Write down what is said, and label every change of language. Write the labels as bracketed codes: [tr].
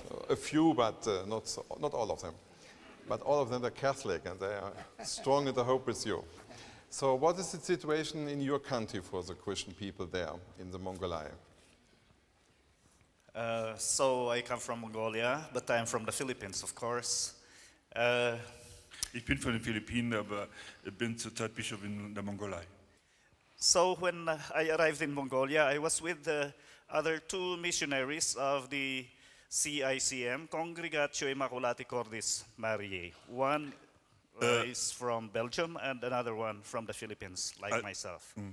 [en] A few, but not all of them. But all of them are Catholic and they are strong in the hope with you. So what is the situation in your country for the Christian people there in the Mongolia? So I come from Mongolia, but I am from the Philippines, of course. [de] Ich bin von den Philippinen, aber bin zurzeit Bischof in der Mongolei. [en] So when I arrived in Mongolia, I was with the other two missionaries of the CICM, Congregatio Immaculati Cordis Mariae. One is from Belgium and another one from the Philippines, like myself.